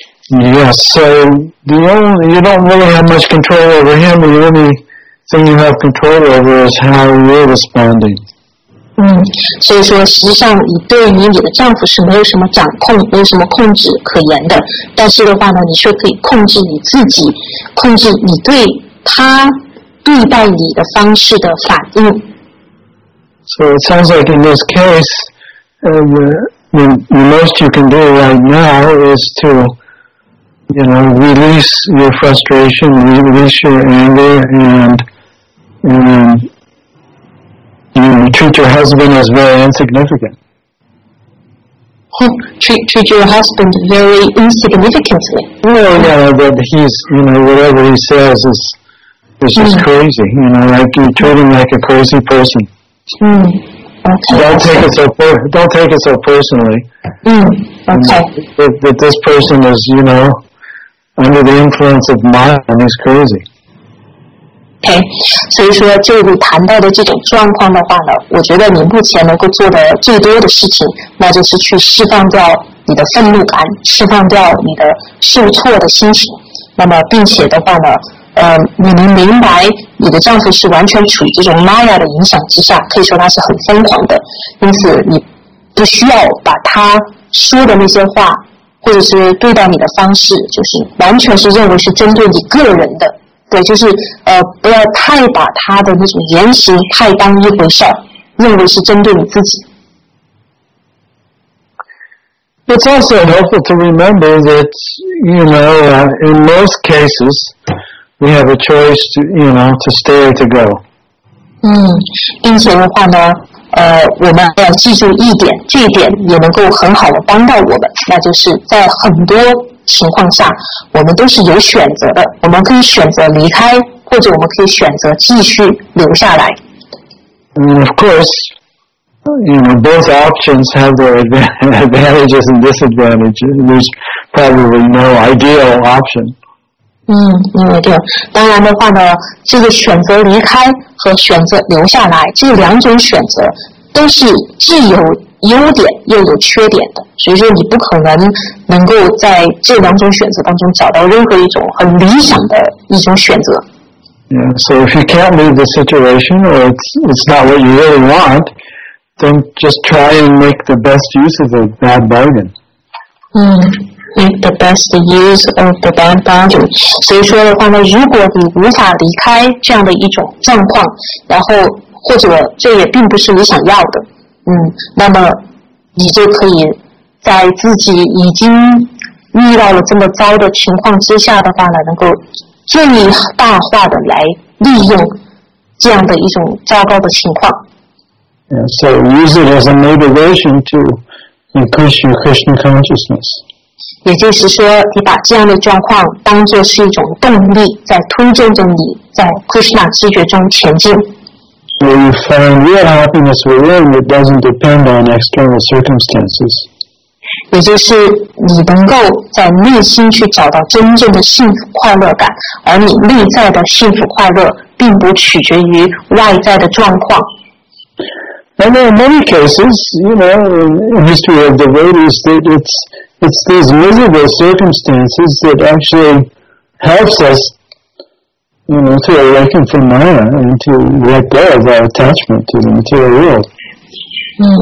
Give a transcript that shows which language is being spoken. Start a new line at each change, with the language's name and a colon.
English: Yes, so you don't really have much control over him, the only thing you have control over is how you're responding.
Chinese: 所以说实际上你对于你的丈夫是没有什么掌控没有什么控制可言的但是的话呢你却可以控制你自己控制你对他对待你的方式的反应
English: So it sounds like in this case the most you can do right now is to you know release your frustration release your anger and treat your husband as very insignificant. Treat your husband very insignificantly. Whatever he says is just crazy. You know, like you treat him like a crazy person. Don't take it so personally. That this person is, you know, under the influence of mind and he's crazy.
Chinese: Okay, 所以说就你谈到的这种状况的话呢我觉得你目前能够做的最多的事情那就是去释放掉你的愤怒感释放掉你的受挫的心情那么并且的话呢你能明白你的丈夫是完全处于这种 Maya 的影响之下可以说他是很疯狂的因此你不需要把他说的那些话或者是对待你的方式就是完全是认为是针对你个人的对，就是不要太把他的那种言行太当一回事认为是针对你自己。
English: It's also helpful to remember that, you know, in most cases, we have a choice to, you know, to stay or to go.
Chinese: 并且的话呢，我们要记住一点，这一点也能够很好的帮到我们，那就是在很多情况下我们都是有选择的，我们可以选择离开，或者我们可以选择继续留下来。
English: And of course you know, both options have their advantages and disadvantages. There's probably no ideal option.
Chinese: 对，当然的话呢，这个选择离开和选择留下来，这两种选择都是既有优点又有缺点的，所以说你不可能能够在这两种选择当中找到任何一种很理想的一种选择。
English: Yeah, so if you can't leave the situation or it's not what you really want, then just try and make the best use of the bad bargain. Make the best use of the bad bargain.
Chinese: 所以说的话呢，如果你无法离开这样的一种状况，然后或者这也并不是你想要的，那么你就可以在自己已经遇到了这么糟的情况之下的话呢，能够最大化的来利用这样的一种糟糕的情况。
English: So use it as a motivation to increase your Krishna consciousness.
Chinese: 也就是说，你把这样的状况当作是一种动力，在推动着你在 Krishna 知觉中前进。
English: So you find real happiness within that doesn't depend on external circumstances.
Chinese: 也就是你能够在内心去找到真正的幸福快乐感，而你内在的幸福快乐并不取决于外在的状况。
English: And there are many cases, you know, in the history of devotees, that it's these miserable circumstances that actually helps us, you know, to awaken from Maya and to let go of our attachment to the material world.